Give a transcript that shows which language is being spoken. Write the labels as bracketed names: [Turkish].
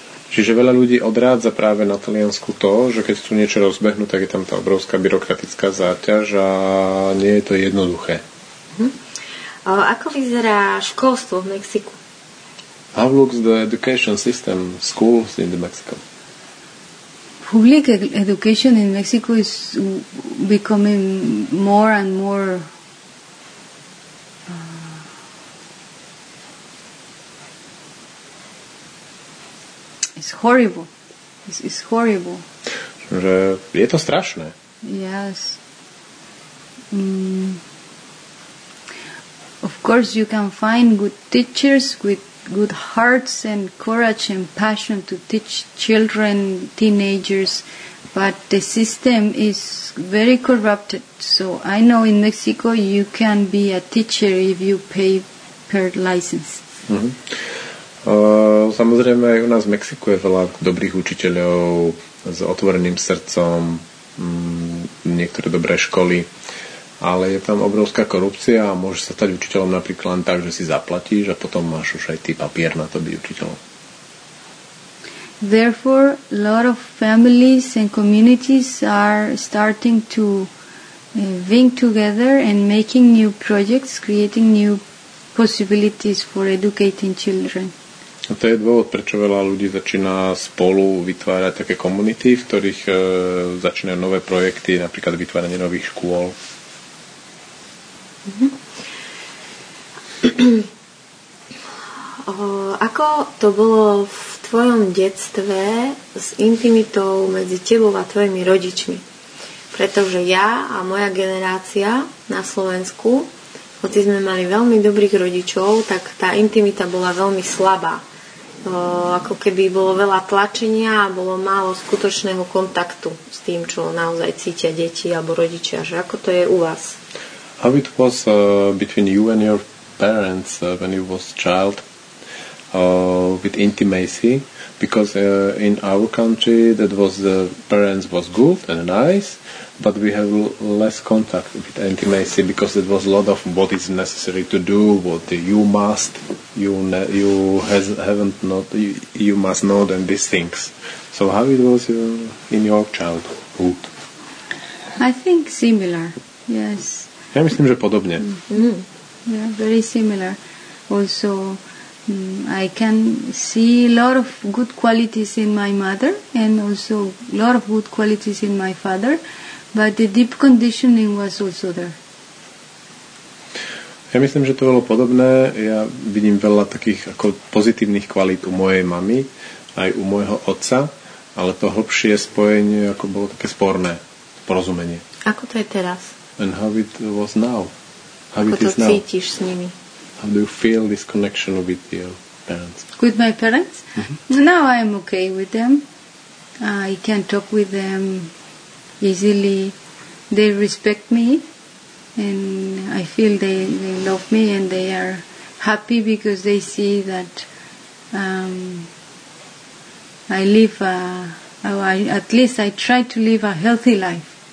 [Slovak] Čiže veľa ľudí odrádza práve na Taliansku to, že keď tu niečo rozbehnú, tak je tam tá obrovská byrokratická záťaž a nie je to jednoduché. Ako vyzerá školstvo v Mexiku? [English] How looks the education system, schools in the Mexico? Public education in Mexico is becoming more and more it's horrible. It's horrible. [Slovak] Že je to strašné. [English] Yes. Of course you can find good teachers with good hearts and courage and passion to teach children, teenagers, but the system is very corrupted. So I know in Mexico you can be a teacher if you pay per license. [Slovak] Samozrejme, u nás v Mexiku je veľa dobrých učiteľov s otvoreným srdcom, niektoré dobré školy, ale je tam obrovská korupcia a môže sa stať učiteľom napríklad tak, že si zaplatíš a potom máš už aj ty papier na to byť učiteľom. [English] Therefore, a lot of families and communities are starting to think together and making new projects, creating new possibilities for educating children. [Slovak] A to je dôvod, prečo veľa ľudí začína spolu vytvárať také komunity, v ktorých začínajú nové projekty, napríklad vytváranie nových škôl. Ako to bolo v tvojom detstve s intimitou medzi tebou a tvojimi rodičmi? Pretože ja a moja generácia na Slovensku, hoci sme mali veľmi dobrých rodičov, tak tá intimita bola veľmi slabá. Ako keby bolo veľa tlačenia a bolo málo skutočného kontaktu s tým, čo naozaj cítia deti alebo rodičia. Že ako to je u vás? [English] How it was between you and your parents when you was a child with intimacy? Because in our country that was the parents was good and nice, but we have less contact with intimacy because it was a lot of what is necessary to do, what you must, you must know them, these things. So how it was in your childhood? I think similar, yes. [Slovak] Ja myslím, že podobne. [English] Yeah, very similar. Also, I can see a lot of good qualities in my mother and also a lot of good qualities in my father, but the deep conditioning was also there. [Slovak] Ja myslím, že to bolo podobné. Ja vidím veľa takých ako pozitívnych kvalít u mojej mamy, aj u môjho otca, ale to hlbšie spojenie ako bolo také sporné, porozumenie. Ako to je teraz? [English] and how it was now. How [Slovak] ako [English] it is now. [Slovak] Cítiš s nimi? [English] How do you feel this connection with your parents? With my parents? Mm-hmm. Now I am okay with them. I can talk with them easily. They respect me and I feel they love me and they are happy because they see that I live I try to live a healthy life.